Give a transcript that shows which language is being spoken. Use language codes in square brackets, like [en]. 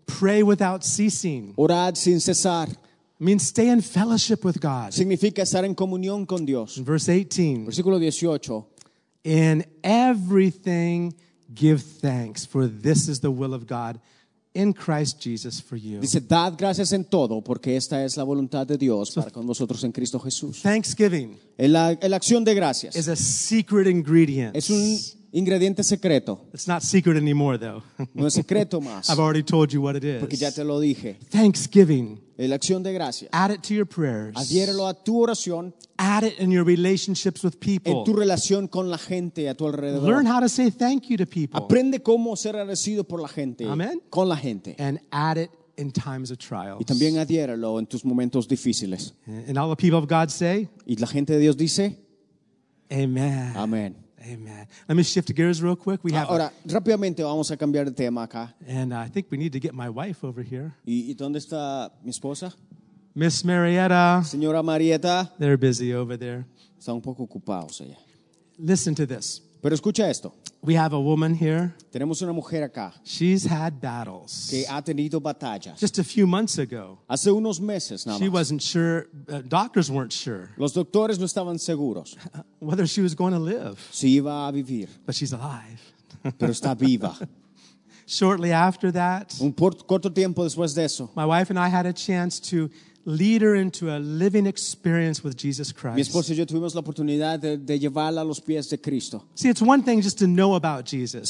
[en] Pray without ceasing. [es] Orad sin cesar. [en] Means stay in fellowship with God. [es] Significa estar en comunión con Dios. [en] Verse 18. [es] Versículo 18. [en] In everything give thanks, for this is the will of God in Christ Jesus for you. [es] Dice, dad gracias en todo, porque esta es la voluntad de Dios para con vosotros en Cristo Jesús. [en] Thanksgiving. [es] La acción de gracias. [en] Is a secret ingredient. [es] Es un ingrediente secreto. [en] It's not secret anymore, though. [es] No es secreto más. [en] I've already told you what it is. [es] Porque ya te lo dije. [en] Thanksgiving. [es] La acción de gracias. [en] Add it to your prayers. [es] Adhiérelo a tu oración. [en] Add it in your relationships with people. [es] En tu relación con la gente a tu alrededor. [en] Learn how to say thank you to people. [es] Aprende cómo ser agradecido por la gente. [en] Amen. [es] Con la gente. [en] And add it in times of trials. [es] Y también adhiérelo en tus momentos difíciles. [en] And all the people of God say. [es] Y la gente de Dios dice. [en] Amen. [es] Amen. [en] Amen. Let me shift gears real quick. We have. [es] Ahora, rápidamente vamos a cambiar de tema acá. [en] And I think we need to get my wife over here. [es] ¿Y dónde está mi esposa? [en] Miss Marietta. [es] Señora Marietta. [en] They're busy over there. [es] Está un poco ocupados allá. [en] Listen to this. [es] Pero escucha esto. [en] We have a woman here. [es] Tenemos una mujer acá. [en] She's had battles. [es] Que ha tenido batallas. [en] Just a few months ago. [es] Hace unos meses, nada más. [en] She wasn't sure. Doctors weren't sure. [es] Los doctores no estaban seguros. [en] Whether she was going to live. [es] Si iba a vivir. [en] But she's alive. [es] Pero está viva. [en] Shortly after that. [es] Un corto tiempo después de eso. [en] My wife and I had a chance to lead her into a living experience with Jesus Christ. [es] Mi esposa y yo tuvimos la oportunidad de llevarla a los pies de Cristo. [en] See, it's one thing just to know about Jesus.